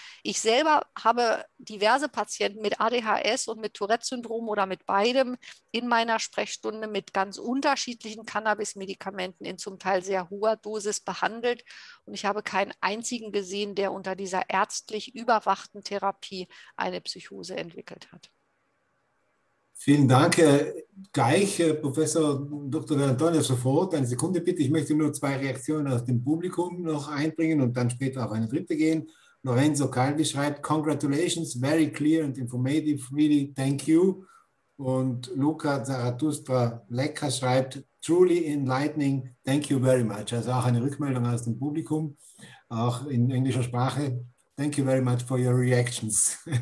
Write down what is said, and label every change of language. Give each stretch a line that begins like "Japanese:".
German: Ich selber habe diverse Patienten mit ADHS und mit Tourette-Syndrom oder mit beidem in meiner Sprechstunde mit ganz unterschiedlichen Cannabis-Medikamenten in zum Teil sehr hoher Dosis behandelt und ich habe keinen einzigen gesehen, der unter dieser ärztlich überwachten Therapie eine Psychose entwickelt hat. Vielen Dank. Gleich, Professor Dr. Antonio, sofort eine Sekunde bitte. Ich möchte nur 2 Reaktionen aus dem Publikum noch einbringen und dann später auf eine dritte gehen.
English: Lorenzo Calvi
German: schreibt,
English: congratulations, very clear and informative, really, thank you.
German: Und
English: Luca Zarathustra Lecker
German: schreibt,
English: truly enlightening, thank you very much.
German: Also auch eine Rückmeldung aus dem Publikum, auch in englischer Sprache.
English: Thank you very much for your reactions.